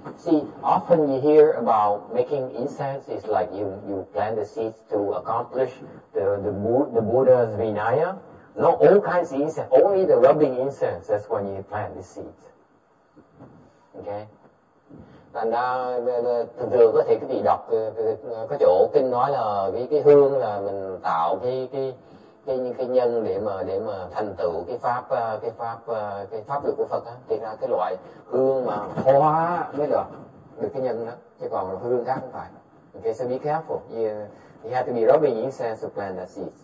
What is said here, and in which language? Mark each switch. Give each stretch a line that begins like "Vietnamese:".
English: See, often you hear about making incense is like you plant the seeds to accomplish the Buddha's Vinaya. Not all kinds of incense, only the rubbing incense, that's when you plant the seeds. Okay.
Vietnamese: Thành ra thường thường có thể cái vị đọc có chỗ kinh nói là cái hương là mình tạo cái nhân để mà thành tựu cái pháp lực của Phật á, thì ra cái loại hương mà hóa mới được được cái nhân đó, chứ còn là phương khác không phải.
English: Okay, so be careful. You have to be rubbing incense to plant that seed.